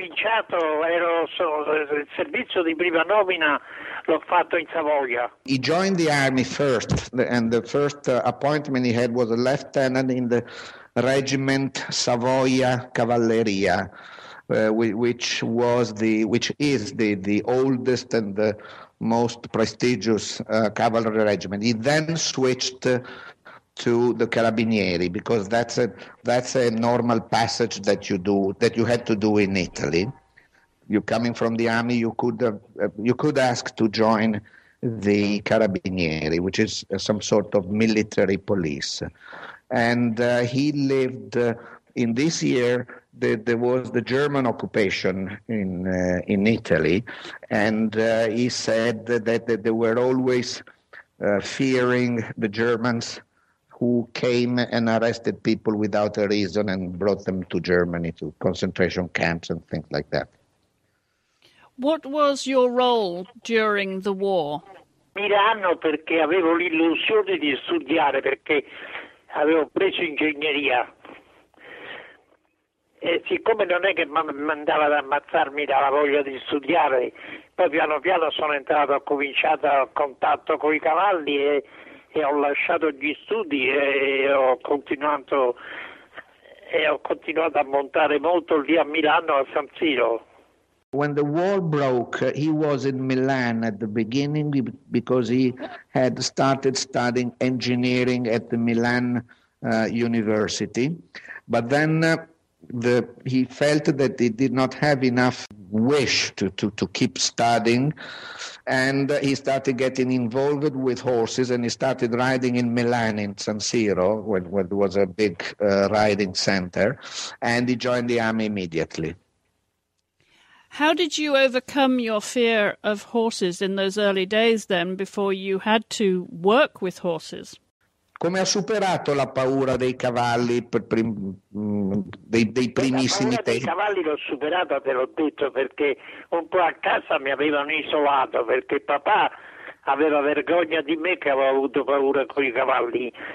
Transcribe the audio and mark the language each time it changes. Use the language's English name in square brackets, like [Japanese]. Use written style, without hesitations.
[Italian] Io ho cominciato, il servizio di prima nomina l'ho fatto in Savoia. [English] He joined the army first, and the first appointment he had was a lieutenant in the regiment Savoia Cavalleria, which is the oldest and the most prestigious cavalry regiment. He then switched to the Carabinieri, because that's a normal passage that you had to do in Italy. You're coming from the army, you could ask to join the Carabinieri, which is some sort of military police. And he lived in this year that there was the German occupation in Italy, and he said that they were always fearing the Germans, who came and arrested people without a reason and brought them to Germany, to concentration camps and things like that. What was your role during the war? [Italian] Milano, perché avevo l'illusione di studiare, perché avevo preso ingegneria. E siccome non è che mi mandava ad ammazzarmi dalla voglia di studiare, poi piano piano sono entrato, ho cominciato a contatto con i cavalli e ho lasciato gli studi e ho continuato a montare molto lì a Milano, a San Siro. [English] When the war broke, he was in Milan at the beginning because he had started studying engineering at the Milan University. But then he felt that he did not have enough wish to keep studying, and he started getting involved with horses, and he started riding in Milan in San Siro, where there was a big riding center, and he joined the army immediately. How did you overcome your fear of horses in those early days then, before you had to work with horses? [Italian] Come ha superato la paura dei cavalli dei primissimi tempi? La paura dei cavalli l'ho superata, te l'ho detto, perché un po' a casa mi avevano isolato, perché papà aveva vergogna di me che avevo avuto paura con i cavalli.